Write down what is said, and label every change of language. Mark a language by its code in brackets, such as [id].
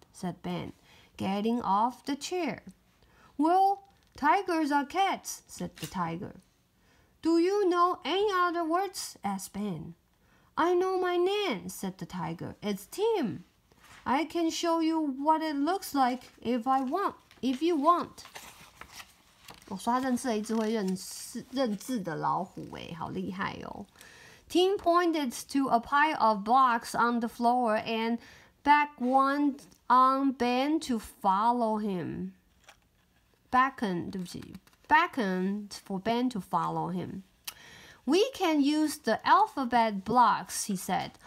[en] Said Ben, getting off the chair. Well, tigers are cats, said the tiger. Do you know any other words? Asked Ben. I know my name, said the tiger. It's Tim. I can show you what it looks like if you want. [zh] 我说他认识了一只会认字的老虎耶，好厉害哦。 [en] Tim pointed to a pile of blocks on the floor and beckoned one on Ben to follow him. Beckoned for Ben to follow him. We can use the alphabet blocks, he said.